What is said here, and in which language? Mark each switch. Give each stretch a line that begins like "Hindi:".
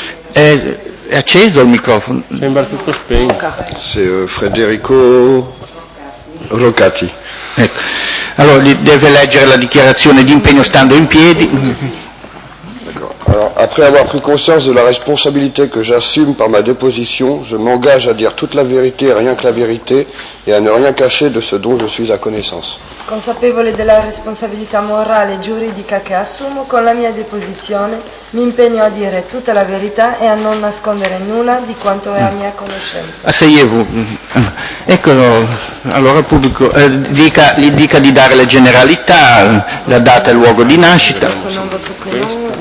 Italian: È acceso il microfono? Sembra tutto spento. Sì, Federico Roccati. Ecco. Allora, deve leggere la dichiarazione di impegno stando in piedi.
French: Alors, après avoir pris conscience de la responsabilité que j'assume par ma déposition, je m'engage à dire toute la vérité, rien que la vérité, et à ne rien cacher de ce dont je suis à connaissance.
Italian: Consapevole della responsabilità morale e giuridica che assumo, con la mia deposizione mi impegno a dire tutta la verità e a non nascondere nulla di quanto è a mia conoscenza.
French: Asseyevu.
Italian: Ecco, allora pubblico, dica di dare le generalità, la data e il luogo di nascita.